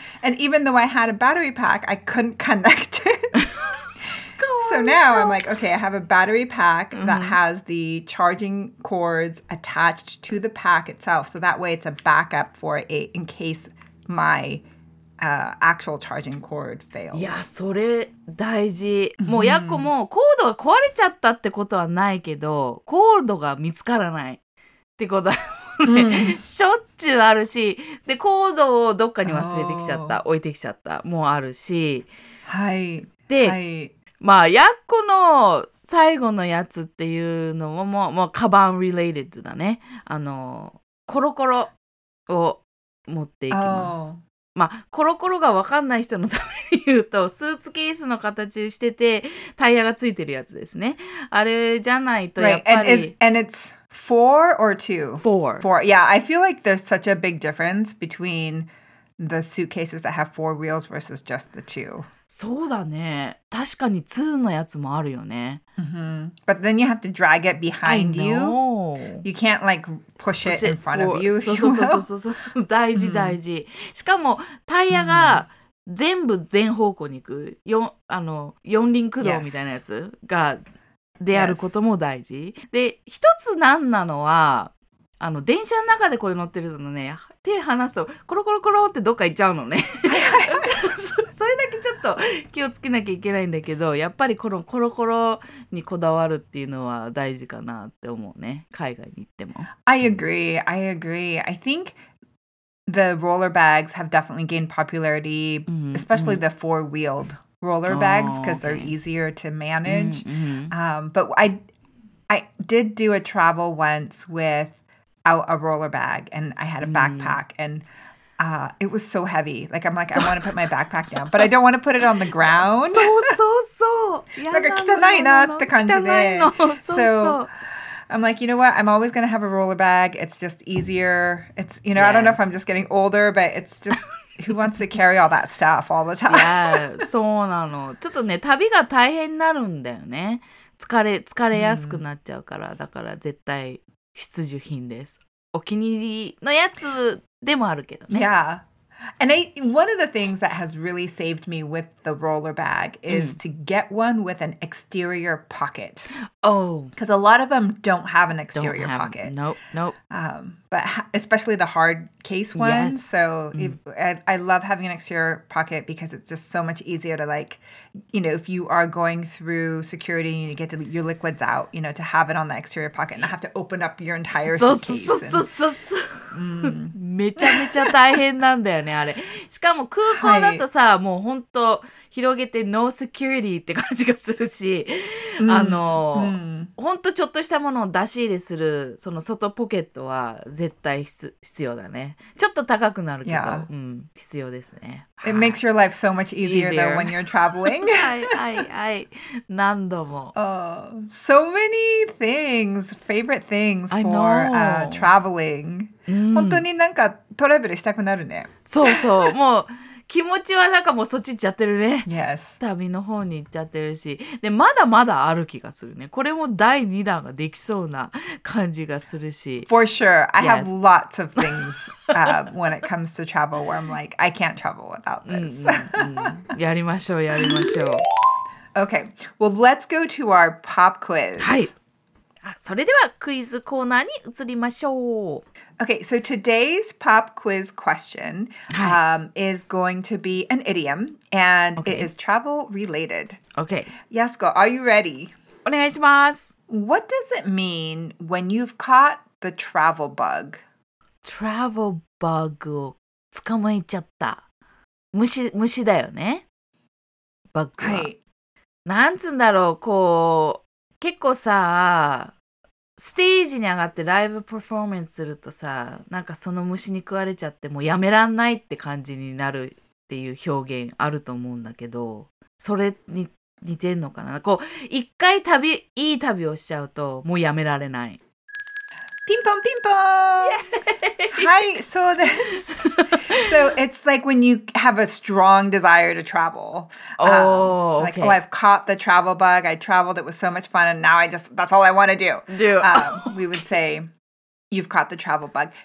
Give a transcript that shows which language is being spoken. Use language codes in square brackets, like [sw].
[en] And even though I had a battery pack, I couldn't connect it. So now I'm like, okay, I have a battery pack that has the charging cords attached to the pack itself. So that way it's a backup for it in case my actual charging cord fails. [ja] いや、それ大事。もうヤッコもコードが壊れちゃったってことはないけど、コードが見つからないってことは。ね、しょっちゅうあるし、で、コードをどっかに忘れてきちゃった、置いてきちゃった、もうあるし。はい。で、はい、まあ、やっこの最後のやつっていうのも、もうカバン related だね。あの、コロコロを持っていきます。まあ、コロコロが分かんない人のために言うと、スーツケースの形してて、タイヤがついてるやつですね。あれじゃないとやっぱり。 [en] Right. And it's four or two? Four. Four. Yeah, I feel like there's such a big difference between the suitcases that have four wheels versus just the two. [ja] そうだね。確かに2のやつもあるよね。 [en] Mm-hmm. But then you have to drag it behind you. You can't like push it in front of you. [ja] そうそうそうそうそう。大事大事。しかもタイヤが全部全方向に行く。あの、四輪駆動みたいなやつが、であることも大事。で、一つ難なのは、あの、電車の中でこれ乗ってるのね、手離すとコロコロコロってどっか行っちゃうのね。それだけちょっと気をつけなきゃいけないんだけど、やっぱりこのコロコロにこだわるっていうのは大事かなって思うね。海外に行っても。 [en] I agree. I agree. I think the roller bags have definitely gained popularity, especially the four-wheeled roller bags, because they're easier to manage. But I did do a travel once witha roller bag and I had a backpack and it was so heavy. Like I'm like, I want to put my backpack down, but I don't want to put it on the ground. [ja] そうそうそう。なんか汚いなって感じで。 [en] So I'm like, you know what? I'm always going to have a roller bag. It's just easier. It's, you know, I don't know if I'm just getting older, but it's just, who wants to carry all that stuff all the time? [ja] Yeah, そうなの。ちょっとね、旅が大変になるんだよね。疲れやすくなっちゃうから、だから絶対。必需品です。お気に入りのやつでもあるけどね。 [en] Yeah. And one of the things that has really saved me with the roller bag is to get one with an exterior pocket. Oh. Because a lot of them don't have an exterior pocket. Nope. But especially the hard case ones. Yes. So I love having an exterior pocket because it's just so much easier to like, you know, if you are going through security and you get to, your liquids out, you know, to have it on the exterior pocket and not have to open up your entire suitcase. [ja] めちゃめちゃ大変なんだよね、あれ。しかも空港だとさ、はい、もう本当広げてノーセキュリティって感じがするし、あの、本当ちょっとしたものを出し入れするその外ポケットは絶対必要だね。ちょっと高くなるけど、必要ですね。 [en] It makes your life so much easier though when you're traveling. [ja] はいはいはい、何度も。 [en] So many things, favorite things for traveling. [ja] 本当になんかトラベルしたくなるね。そうそう、もう。気持ちはなんかもうそっち行っちゃってるね。 [en] Yes. [ja] 旅の方に行っちゃってるし。で、まだまだある気がするね。これも第2弾ができそうな感じがするし。 [en] For sure. I have lots of things when it comes to travel where I'm like, I can't travel without this. [ja] やりましょう、やりましょう。 [en] Okay. Well, let's go to our pop quiz. [ja] はい。それではクイズコーナーに移りましょう。 [en] Okay, so today's pop quiz question is going to be an idiom, and it is travel related. Okay. Yasuko, are you ready? [ja] お願いします。 [en] What does it mean when you've caught the travel bug? [ja] Travel bug を捕まえちゃった。虫だよね。バッグは。はい。なんつんだろう、こう、結構さ、ステージに上がってライブパフォーマンスするとさ、なんかその虫に食われちゃってもうやめらんないって感じになるっていう表現あると思うんだけど、それに似てるのかな。こう一回旅、いい旅をしちゃうともうやめられない。 [en] ピンpong, ping pong. Yay! Hi, so this. So it's like when you have a strong desire to travel. Okay. Like, oh, I've caught the travel bug. I traveled. It was so much fun. And now I just, that's all I want to do. We would say, you've caught the travel bug.